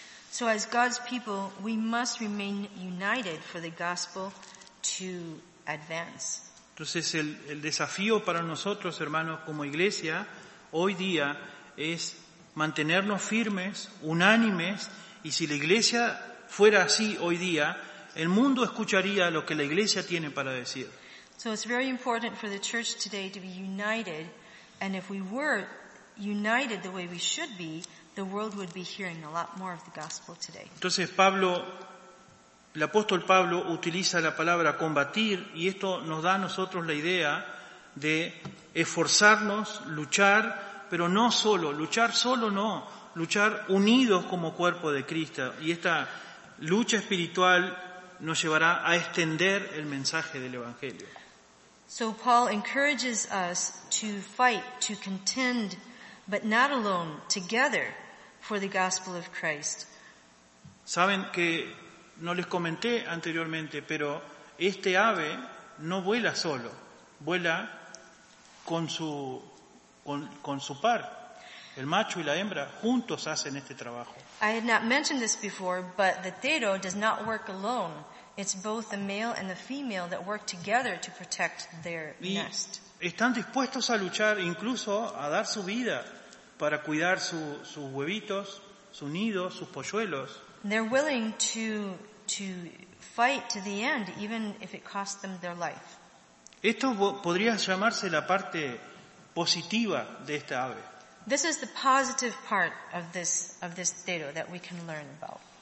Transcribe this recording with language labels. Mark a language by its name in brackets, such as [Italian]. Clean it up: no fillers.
[English] So as God's people, we must remain united for the gospel to advance. [Spanish] Entonces el desafío para nosotros, hermanos, como iglesia, hoy día, es mantenernos firmes, unánimes, y si la iglesia fuera así hoy día, el mundo escucharía lo que la iglesia tiene para decir. [English] So it's very important for the church today to be united, and if we were united the way we should be, the world would be hearing a lot more of the gospel today. [Spanish] Entonces el apóstol Pablo utiliza la palabra combatir y esto nos da a nosotros la idea de esforzarnos, luchar, pero no solo, luchar solo no, luchar unidos como cuerpo de Cristo. Y esta lucha espiritual nos llevará a extender el mensaje del Evangelio. [English] So Paul encourages us to fight, to contend, but not alone, together, for the gospel of Christ. [Spanish] Saben que no les comenté anteriormente, pero este ave no vuela solo, vuela con su par. El macho y la hembra juntos hacen este trabajo. [English] I had not mentioned this before, but the tero does not work alone. It's both the male and the female that work together to protect their nest. [Spanish] Están dispuestos a luchar, incluso a dar su vida para cuidar sus huevitos, su nido, sus polluelos. [English] They're willing to fight to the end, even if it costs them their life. [Spanish] Esto podría llamarse la parte positiva de esta ave. [English] This is the positive part of this tero that we can learn about.